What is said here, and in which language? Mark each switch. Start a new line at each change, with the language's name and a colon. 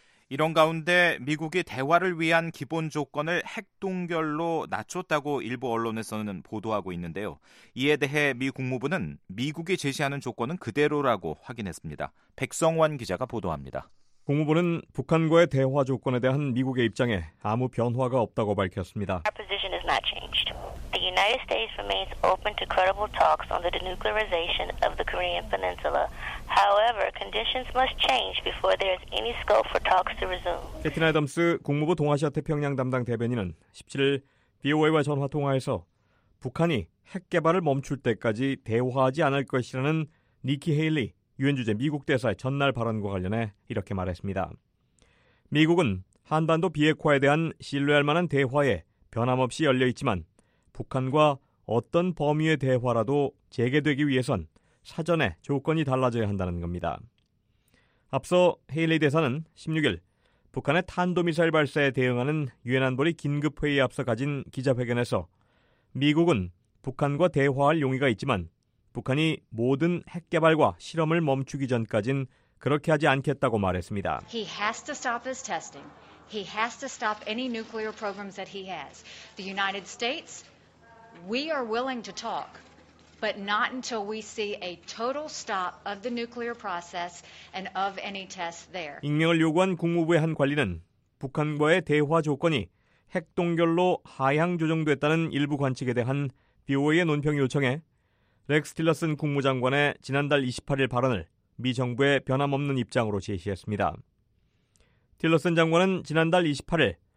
Korean: 이런 가운데 미국이 대화를 위한 기본 조건을 핵 동결로 낮췄다고 일부 언론에서는 보도하고 있는데요. 이에 대해 미 국무부는 미국이 제시하는 조건은 그대로라고 확인했습니다. 백성원 기자가 보도합니다. 국무부는 북한과의 대화 조건에 대한 미국의 입장에 아무 변화가 없다고 밝혔습니다.
English: Our position has not changed. The United States remains open to credible talks on the denuclearization of the Korean Peninsula. However, conditions must change before there is any scope for talks to resume.
Korean: 캐티 아덤스 국무부 동아시아 태평양 담당 대변인은 17일 BOA와 전화 통화에서 북한이 핵 개발을 멈출 때까지 대화하지 않을 것이라는 니키 헤일리 유엔 주재 미국 대사의 전날 발언과 관련해 이렇게 말했습니다. 미국은 한반도 비핵화에 대한 신뢰할 만한 대화에 변함없이 열려있지만 북한과 어떤 범위의 대화라도 재개되기 위해선 사전에 조건이 달라져야 한다는 겁니다. 앞서 헤일리 대사는 16일 북한의 탄도미사일 발사에 대응하는 유엔 안보리 긴급회의에 앞서 가진 기자회견에서 미국은 북한과 대화할 용의가 있지만 북한이 모든 핵 개발과 실험을 멈추기 전까진 그렇게 하지 않겠다고 말했습니다.
English: He has to stop his testing. He has to stop any nuclear programs that he has. The United States, we are willing to talk, but not until we see a total stop of the nuclear process and of any tests there.
Korean: 익명을 요구한 국무부의 한 관리는 북한과의 대화 조건이 핵 동결로 하향 조정됐다는 일부 관측에 대한 BOA의 논평 요청에 렉스 틸러슨 국무장관의 지난달 28일 발언을 미 정부의 변함없는 입장으로 제시했습니다. 틸러슨 장관은 지난달 28일